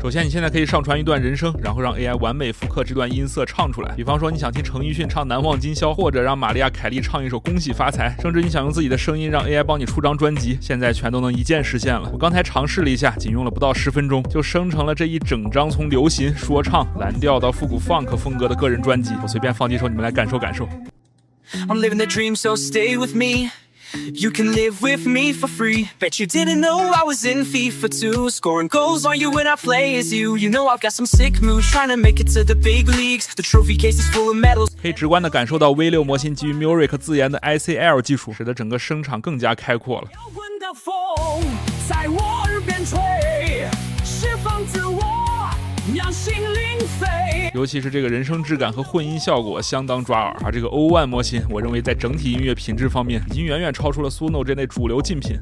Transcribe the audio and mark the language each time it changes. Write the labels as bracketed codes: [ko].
[zh] 首先你现在可以上传一段人声，然后让 AI 完美复刻这段音色唱出来，比方说你想听陈奕迅唱难忘今宵，或者让玛利亚凯莉唱一首恭喜发财，甚至你想用自己的声音让 AI 帮你出张专辑，现在全都能一键实现了。我刚才尝试了一下，仅用了不到十分钟就生成了这一整张从流行说唱蓝调到复古 funk 风格的个人专辑，我随便放几首你们来感受感受。 [en] I'm living the dream so stay with me, you can live with me for free. Bet you didn't know I was in FIFA 2, scoring goals on you when I play as you. You know I've got some sick moves trying to make it to the big leagues. The trophy case is full of medals. [zh] 可以直观的感受到 V6 模型基于 Music 自研的 ICL 技术，使得整个声场更加开阔了。摇滚的风在我耳边吹，释放自我，让心灵飞。尤其是这个人声质感和混音效果相当抓耳，而这个 O1 模型我认为在整体音乐品质方面已经远远超出了 Suno 这类主流竞品。